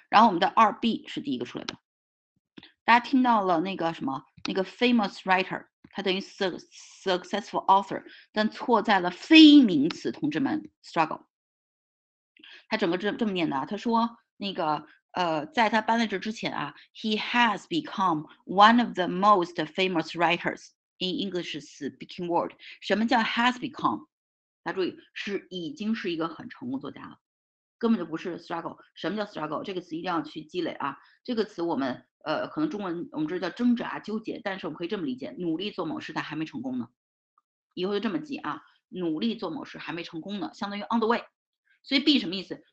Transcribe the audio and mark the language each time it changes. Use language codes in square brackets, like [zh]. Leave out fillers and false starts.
[zh] 然后我们的 2B 是第一个出来的。大家听到了那个什么，那个 [en] famous writer， [zh] 它等于 [en] successful author， [zh] 但错在了非名词，同志们 struggle。他整个这么念的，他说那个。在他搬来这之前啊 [en] ，he has become one of the most famous writers in English speaking world。 [zh] 什么叫 [en] has become？ [zh] 大家注意，是已经是一个很成功作家了，根本就不是 struggle。什么叫 struggle？这个词一定要去积累啊。这个词我们可能中文我们这叫挣扎纠结，但是我们可以这么理解：努力做某事但还没成功呢。以后就这么记啊，努力做某事还没成功呢，相当于 [en] on the way。 [zh] 所以 B 什么意思？